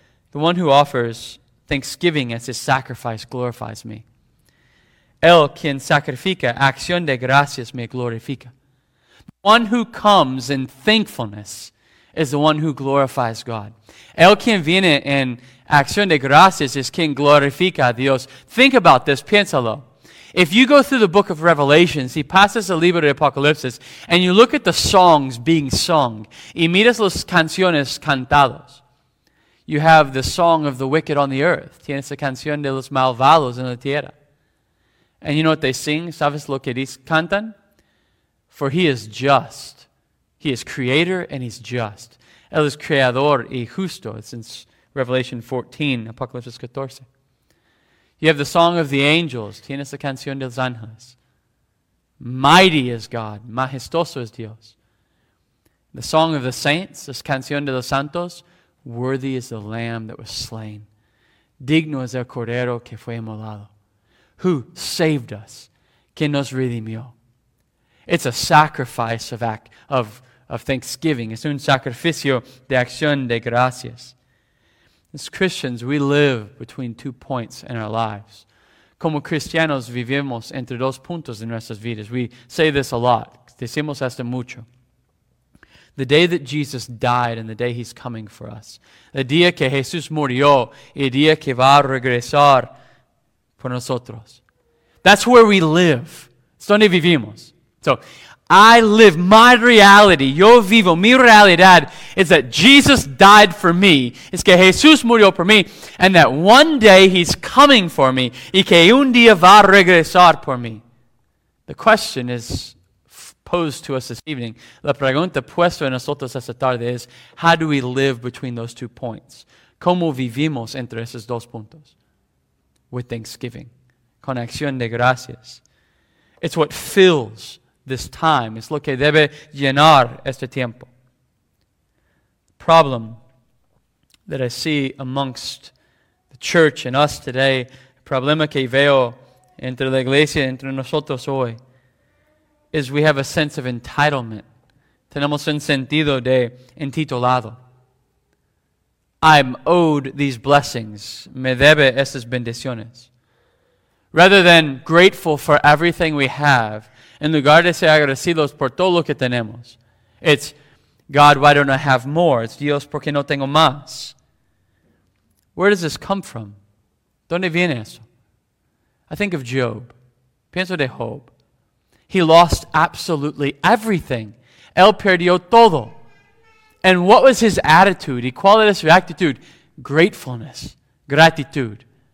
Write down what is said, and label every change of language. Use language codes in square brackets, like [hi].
[en] The one who offers thanksgiving as his sacrifice glorifies me. [es] El quien sacrifica acción de gracias me glorifica. [en] One who comes in thankfulness is the one who glorifies God. [es] El quien viene en acción de gracias es quien glorifica a Dios. [en] Think about this, [es] piénsalo. [en] If you go through the book of Revelation, [es] si pasas el libro de Apocalipsis, [en] and you look at the songs being sung, [es] y miras las canciones cantadas, [en] you have the song of the wicked on the earth. [es] Tienes la canción de los malvados en la tierra. [en] And you know what they sing? [es] ¿Sabes lo que cantan? [en] For he is just. He is creator and he's just. [es] Él es creador y justo. [en] It's in Revelation 14, Apocalipsis 14. You have the song of the angels. [es] Tienes la canción de los ángeles. [en] Mighty is God. [es] Majestoso es Dios. [en] The song of the saints. [es] Es canción de los santos. [en] Worthy is the lamb that was slain. [es] Digno es el cordero que fue inmolado. [en] Who saved us. [es] Quien nos redimió. [en] It's a sacrifice of thanksgiving. [es] Es un sacrificio de acción de gracias. [en] As Christians, we live between two points in our lives. [es] Como cristianos, vivimos entre dos puntos en nuestras vidas. [en] We say this a lot. [es] Decimos esto mucho. [en] The day that Jesus died and the day he's coming for us. [es] El día que Jesús murió y el día que va a regresar por nosotros. [en] That's where we live. [es] Es donde vivimos. [en] So, I live, my reality, [es] yo vivo, mi realidad [en] is that Jesus died for me, [es] es que Jesús murió por mí, [en] and that one day he's coming for me, [es] y que un día va a regresar por mí. [en] The question is posed to us this evening, [es] la pregunta puesta en nosotros esta tarde es, [en] how do we live between those two points? [es] ¿Cómo vivimos entre esos dos puntos? [en] With thanksgiving, [es] con acción de gracias. [en] It's what fills this time. [es] It's lo que debe llenar este tiempo. [en] Problem that I see amongst the church and us today, [es] problema que veo entre la iglesia, entre nosotros hoy, [en] is we have a sense of entitlement. [es] Tenemos un sentido de entitolado. [en] I'm owed these blessings. [es] Me debe estas bendiciones. [en] Rather than grateful for everything we have, [es] en lugar de ser agradecidos por todo lo que tenemos, [en] it's, God, why don't I have more? [es] It's, Dios, ¿por qué no tengo más? [en] Where does this come from? [es] ¿Dónde viene eso? [en] I think of Job. [es] Pienso de Job. [en] He lost absolutely everything. [es] Él perdió todo. [en] And what was his attitude? [es] ¿Y cuál era su actitud? Gratefulness. Gratitud.